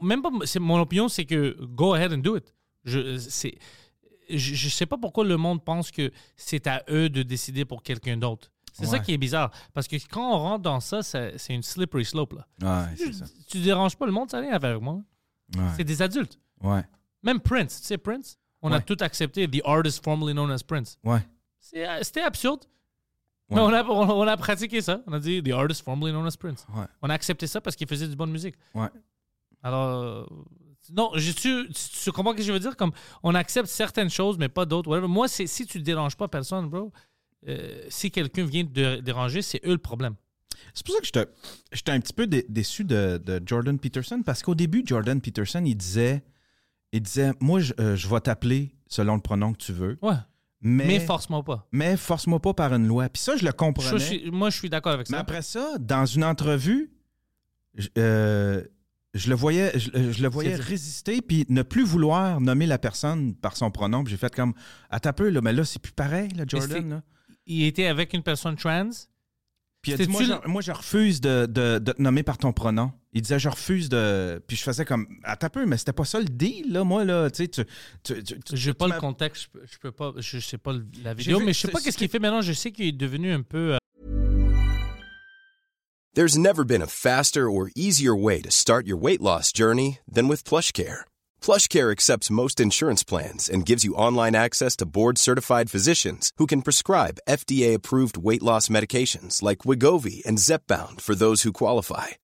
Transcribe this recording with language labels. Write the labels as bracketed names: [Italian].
[French] Même pas, c'est, mon opinion, c'est que [English] go ahead and do it. [French] Je sais pas pourquoi le monde pense que c'est à eux de décider pour quelqu'un d'autre. C'est ouais. ça qui est bizarre. Parce que quand on rentre dans ça, c'est une [English] slippery slope. [French] Là. Ouais, c'est ça. Tu déranges pas le monde, ça n'a rien à faire avec moi. Ouais. C'est des adultes. Ouais. Même Prince, tu sais Prince? On ouais. a tout accepté. [English] The artist formerly known as Prince. [French] Ouais. C'était absurde. Ouais. On a pratiqué ça. On a dit [English] the artist formerly known as Prince. [French] Ouais. On a accepté ça parce qu'il faisait du bonne musique. Ouais. Alors... Non, tu comprends ce que je veux dire? Comme on accepte certaines choses, mais pas d'autres. Whatever. Moi, c'est, si tu ne déranges pas personne, bro, si quelqu'un vient te déranger, c'est eux le problème. C'est pour ça que j'étais un petit peu déçu de Jordan Peterson, parce qu'au début, Jordan Peterson, il disait moi, je vais t'appeler selon le pronom que tu veux. Ouais. Mais force-moi pas. Mais force-moi pas par une loi. Puis ça, je le comprenais. Je suis d'accord avec ça. Mais après ça, dans une entrevue... Je le voyais résister puis ne plus vouloir nommer la personne par son pronom. J'ai fait comme, attends un peu, là, mais là, c'est plus pareil, là, Jordan. Là. Il était avec une personne trans. Puis il a dit, moi, je refuse de te nommer par ton pronom. Il disait, je refuse de... Puis je faisais comme, attends un peu, mais c'était pas ça le deal, là, moi, là, tu sais. J'ai pas le contexte, je sais pas la vidéo, mais je sais pas qu'est-ce qu'il fait maintenant. Je sais qu'il est devenu un peu... [English] There's never been a faster or easier way to start your weight loss journey than with PlushCare. PlushCare accepts most insurance plans and gives you online access to board-certified physicians who can prescribe FDA-approved weight loss medications like Wegovy and Zepbound for those who qualify.